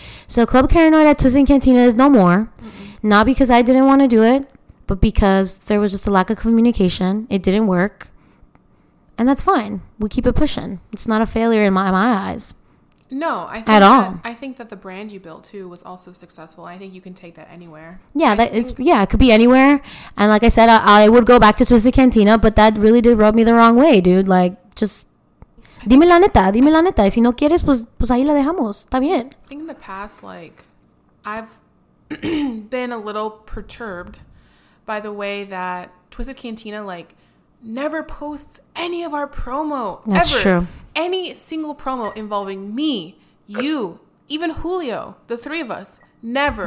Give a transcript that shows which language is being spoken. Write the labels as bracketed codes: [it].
[en] So Club Carinoid at Twist and Cantina is no more. Mm-mm. Not because I didn't want to do it, but because there was just a lack of communication, it didn't work. And that's fine. We keep it pushing. It's not a failure in my eyes. No, I think that the brand you built too was also successful. I think you can take that anywhere. Yeah, it could be anywhere. And like I said, I would go back to Twisted Cantina, but that really did rub me the wrong way, dude. [es] Like, just dime la neta. Si no quieres, pues ahí la dejamos. Está bien. [en] I think in the past, like, I've been a little perturbed by the way that Twisted Cantina, like, never posts any of our promo. That's ever. True. Any single promo involving me, you, even Julio, the three of us, never.